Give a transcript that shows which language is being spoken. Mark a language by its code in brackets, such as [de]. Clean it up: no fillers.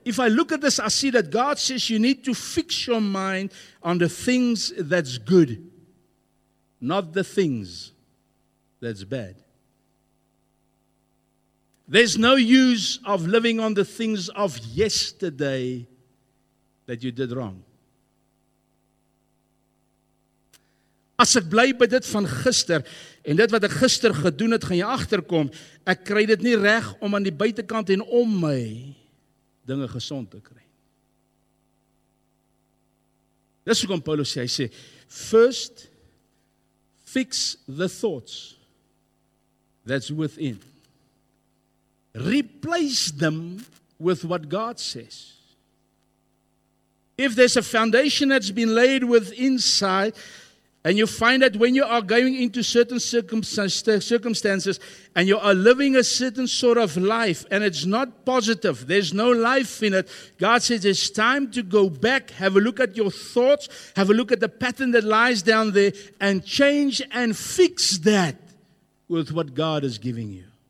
[en] If I look at this, I see that God says you need to fix your mind on the things that's good, not the things that's bad. There's no use of living on the things of yesterday that you did wrong. [af] As ek bly by dit van gister en dit wat ek gister gedoen het, gaan jy agterkom, ek kry dit nie reg om aan die buitekant en om my dinge gesond te kry. Dis hoekom Paulus sê, hy sê, [en] first fix the thoughts that's within. Replace them with what God says. If there's a foundation that's been laid with inside, and you find that when you are going into certain circumstances, and you are living a certain sort of life, and it's not positive, there's no life in it, God says it's time to go back, have a look at your thoughts, have a look at the pattern that lies down there, and change and fix that with what God is giving you.